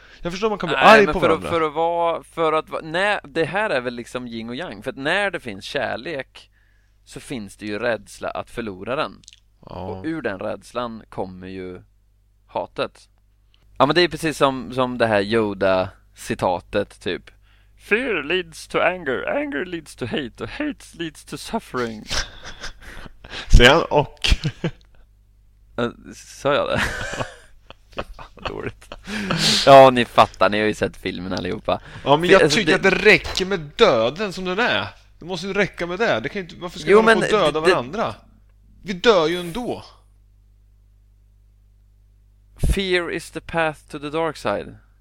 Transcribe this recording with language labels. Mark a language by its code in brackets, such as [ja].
[sv] Jag förstår att man kan bli arg på varandra. Det här är väl liksom yin och yang. För att när det finns kärlek så finns det ju rädsla att förlora den. Och ur den rädslan kommer ju hatet. Ja, men det är precis som det här Yoda-citatet, typ. [en] Fear leads to anger, anger leads to hate, och hate leads to suffering. [sv] Säger han och? Sa jag det? Vad dåligt. Ja, ni fattar, ni har ju sett filmen allihopa. Ja, men jag tycker att det räcker med döden som den är. Det måste ju räcka med det. Varför ska man få döda varandra? Vi dör ju ändå. [en] Fear is the path to the dark side.